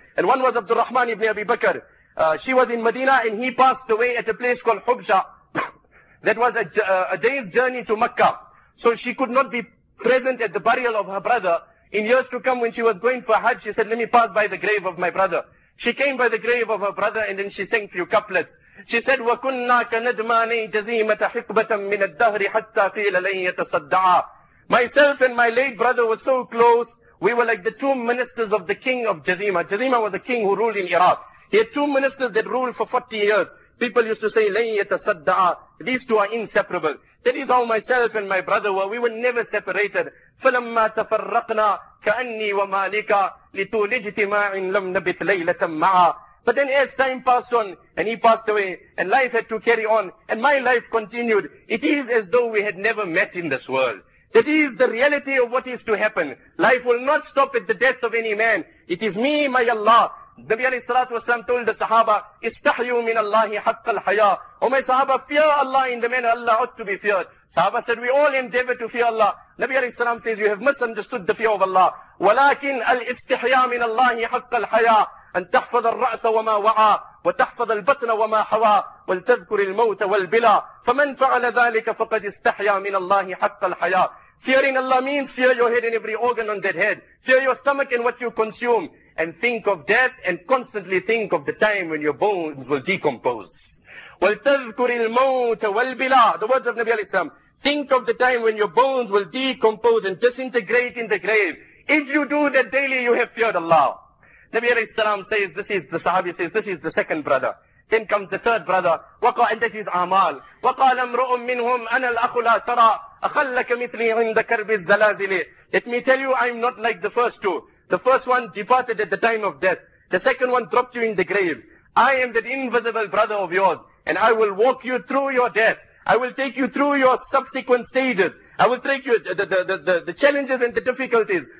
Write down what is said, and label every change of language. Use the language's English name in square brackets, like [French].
[English] And one was Abdul Rahman ibn Abi Bakr. She was in Medina and he passed away at a place called Hubja. That was a day's journey to Makkah. So she could not be present at the burial of her brother. In years to come, when she was going for Hajj, she said, let me pass by the grave of my brother. She came by the grave of her brother and then she sang few couplets. She said, [Arabic] وَكُنَّا كَنَدْمَانِي جَزِيمَةَ حِقْبَةً مِنَ الدَّهْرِ حَتَّى قِيلَ لَنْ يَتَصَدَّعَ. [English] Myself and my late brother were so close. We were like the two ministers of the king of Jazima. Jazima was the king who ruled in Iraq. He had two ministers that ruled for 40 years. People used to say, [Arabic] لَنْ يَتَصَدَّعَ. [English] These two are inseparable. That is how myself and my brother were. We were never separated. [Arabic] فَلَمَّا تَفَرَّقْنَا كَأَنِّي وَمَالِكَ لِتُولِ اجْتِمَاعٍ لَمْ نَبِتْ لَيْلَةً مَعَا. [English] But then as time passed on, and he passed away, and life had to carry on, and my life continued, it is as though we had never met in this world. That is the reality of what is to happen. Life will not stop at the death of any man. It is me, my Allah. Nabi alayhi salatu wasalam told the Sahaba, [Arabic] istahyu min Allahi haqqal haya. [English] O my Sahaba, fear Allah in the manner Allah ought to be feared. Sahaba said, we all endeavor to fear Allah. Nabi alayhi salam says, you have misunderstood the fear of Allah. [Arabic] Walakin al istihya min Allahi haqqal haya. أن تحفظ الرأس وما وعى وتحفظ البطن وما حوى ولتذكر الموت والبلى فمن فعل ذلك فقد استحيا من الله حق الحياة. [English] Fearing Allah means fear your head and every organ on that head. Fear your stomach and what you consume. And think of death and constantly think of the time when your bones will decompose. [Arabic] ولتذكر الموت والبلى. [English] The words of Nabi Al-Islam. Think of the time when your bones will decompose and disintegrate in the grave. If you do that daily, you have feared Allah. Nabi alayhi salam says, this is the sahabi says, this is the second brother. Then comes the third brother. And that is Amal. [Arabic] وَقَالَ مْرُؤٌ مِّنْهُمْ أَنَا الْأَخُ لَا تَرَى. أخلك مثلي عند كرب الزلازل. [English] It may tell you I'm not like the first two. The first one departed at the time of death. The second one dropped you in the grave. I am that invisible brother of yours. And I will walk you through your death. I will take you through your subsequent stages. I will take you the challenges and the difficulties.